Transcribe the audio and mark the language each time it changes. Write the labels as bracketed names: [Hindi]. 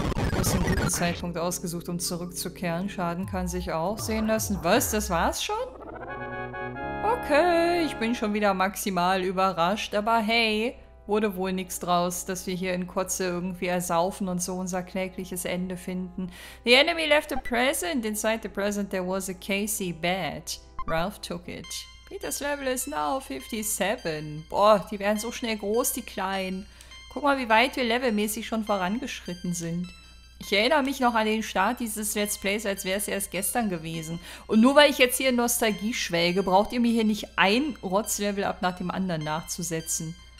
[German] Du hast einen guten Zeitpunkt ausgesucht, um zurückzukehren. Schaden kann sich auch sehen lassen. Was? Das war's schon? Okay, ich bin schon wieder maximal überrascht. Aber hey... Wurde wohl nichts draus, dass wir hier in Kotze irgendwie ersaufen und so unser klägliches Ende finden. [English] The enemy left a present. Inside the present there was a Casey bat. Ralph took it. Peter's level is now 57. [German] Boah, die werden so schnell groß, die Kleinen. Guck mal, wie weit wir levelmäßig schon vorangeschritten sind. Ich erinnere mich noch an den Start dieses Let's Plays, als wäre es erst gestern gewesen. Und nur weil ich jetzt hier in Nostalgie schwelge, braucht ihr mir hier nicht ein Rotzlevel ab nach dem anderen nachzusetzen.